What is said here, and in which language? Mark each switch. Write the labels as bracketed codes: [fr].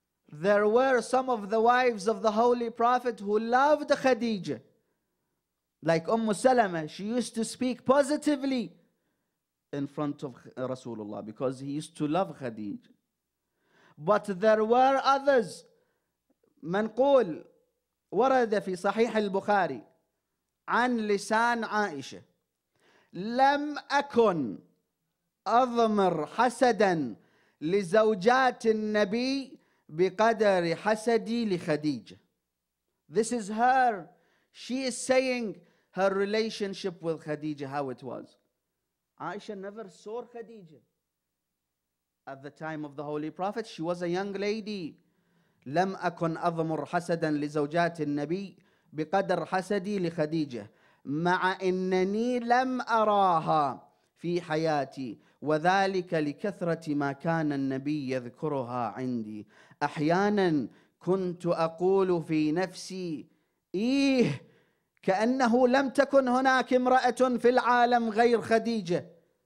[en] There were some of the wives of the Holy Prophet who loved Khadija. Like Umm Salama, she used to speak positively in front of Rasulullah because he used to love Khadija. But there were others. [ar] من قول ورد في صحيح البخاري عن لسان عائشة لم أكن أضمر حسدا لزوجات النبي بقدر حسدي لخديجة. [en] This is her. She is saying her relationship with Khadija, how it was. Aisha never saw Khadija. At the time of the Holy Prophet, she was a young lady. [ar] لم أكن أضمر حسدا لزوجات النبي بقدر حسدي لخديجة مع إنني لم أراها في حياتي وذلك لكثرة ما كان النبي يذكرها عندي. أحيانا كنت أقول في نفسي إيه كأنه لم تكن هناك امرأة في العالم غير خديجة.